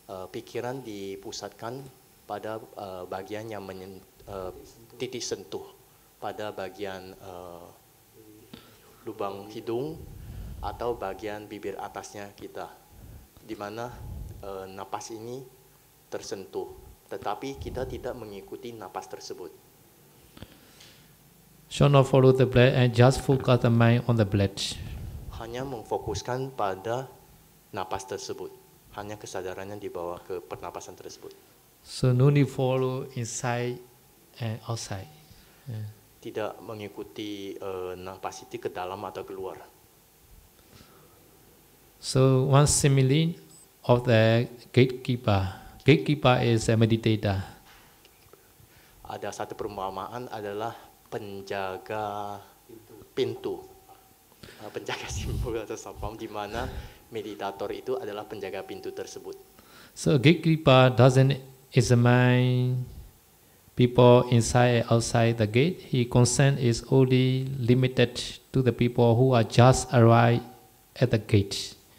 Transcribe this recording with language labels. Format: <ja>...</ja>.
<id>Pikiran dipusatkan pada bagian yang titik sentuh pada bagian lubang hidung atau bagian bibir atasnya kita, di mana napas ini tersentuh, tetapi kita tidak mengikuti napas tersebut.</id> <en>Should not follow the breath and just focus the mind on the breath.</en> <id>Hanya memfokuskan pada napas tersebut, hanya kesadarannya dibawa ke pernapasan tersebut.</id> <en>So no need follow inside and outside. Yeah.</en> <id>Tidak mengikuti napas itu ke dalam atau keluar.</id> <en>So one simile of the gatekeeper. Gatekeeper is a meditator.</en> <id>Ada satu perumpamaan adalah penjaga pintu. Penjaga simbol atau sapam, di mana meditator itu adalah penjaga pintu tersebut.</id> <en>So gatekeeper doesn't examine people inside and outside the gate. He consent is only limited to the people who are just arrived at the gate.</en>